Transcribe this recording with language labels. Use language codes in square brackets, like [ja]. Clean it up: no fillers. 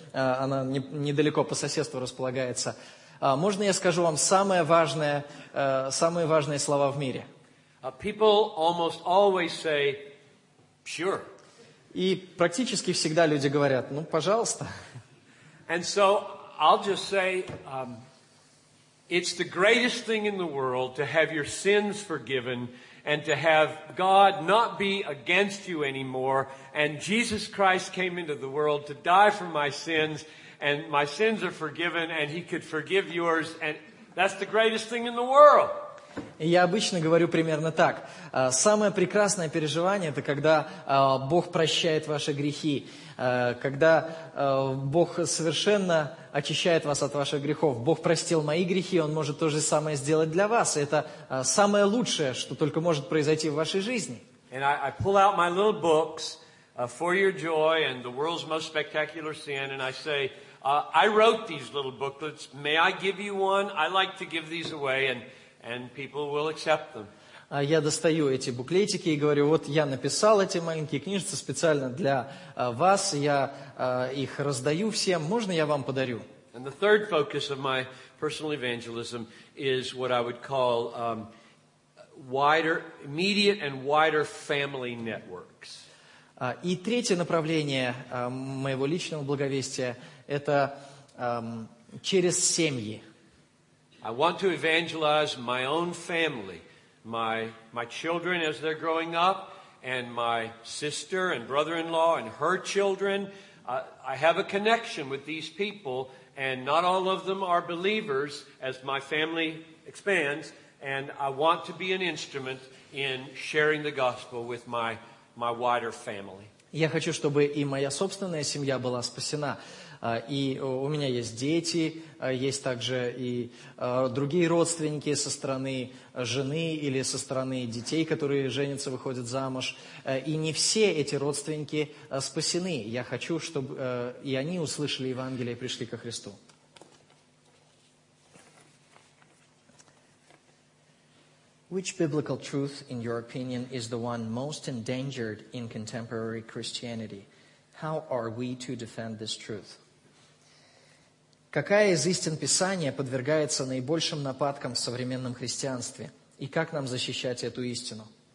[ru] Она недалеко по соседству располагается. Можно я скажу вам самые важные слова в мире? [en] People almost always say, sure. [ru] И практически всегда люди говорят: «Ну, пожалуйста». [en] And so I'll just say, it's the greatest thing in the world to have your sins forgiven and to have God not be against you anymore. And Jesus Christ came into the world to die for my sins, and my sins are forgiven, and He could forgive yours. And that's the greatest thing in the world. [ru] И я обычно говорю примерно так. Самое прекрасное переживание – это когда Бог прощает ваши грехи, когда Бог совершенно очищает вас от ваших грехов. Бог простил мои грехи, Он может то же самое сделать для вас. И это самое лучшее, что только может произойти в вашей жизни. [en] And I pull out my little books, For Your Joy and The World's Most Spectacular Sin, and I say, I wrote these little booklets. May I give you one? I like to give these away, and people will accept them. [ru] Я достаю эти буклетики и говорю: вот я написал эти маленькие книжицы специально для вас, я их раздаю всем, можно я вам подарю? [en] And the third focus of my personal evangelism is what I would call wider, immediate and wider family networks. [ru] И третье направление моего личного благовестия – это через семьи. [en] I want to evangelize my own family, my children as they're growing up, and my sister and brother-in-law and her children. I have a connection with these people, and not all of them are believers as my family expands, and I want to be an instrument in sharing the gospel with my wider family. [ru] Я хочу, чтобы и моя собственная семья была спасена. И у меня есть дети, есть также и другие родственники со стороны жены или со стороны детей, которые женятся, выходят замуж. И не все эти родственники спасены. Я хочу, чтобы и они услышали Евангелие и пришли ко Христу. [en] Which biblical truth, in your opinion, is the one most endangered in contemporary Christianity? How are we to defend this truth? [ru] Какая из истин Писания подвергается наибольшим нападкам в современном христианстве? И как нам защищать эту истину?